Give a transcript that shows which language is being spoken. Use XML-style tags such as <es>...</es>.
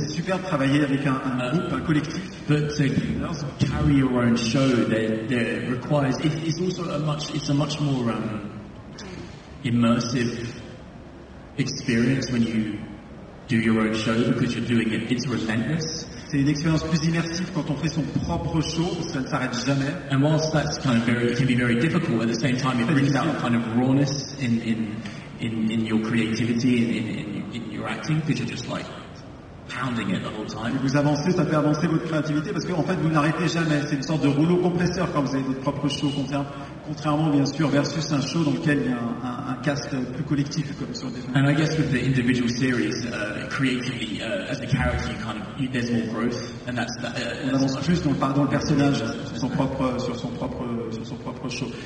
<fr>C'est super de travailler avec un groupe, un collectif.</fr> <en>But to carry your own show, that requires. It's a much more immersive experience when you do your own show because you're doing it. It's relentless.</en> <fr>C'est une expérience plus immersive quand on fait son propre show, ça ne s'arrête jamais.</fr> <en>And whilst that's kind of very, it can be very difficult, at the same time, it brings out a kind of rawness in your creativity, in your acting, because you're just like pounding it the whole time.</en> <fr>Et vous avancez, ça fait avancer votre créativité, parce qu'en fait, vous n'arrêtez jamais. C'est une sorte de rouleau compresseur quand vous avez votre propre show, contrairement, bien sûr, versus un show dans lequel il y a un cast plus collectif, comme sur des.</fr> <en>And I guess with the individual series, creatively, as a character, there's more growth, and that's</en> <fr>on avance plus dans le personnage, sur son propre show.</fr>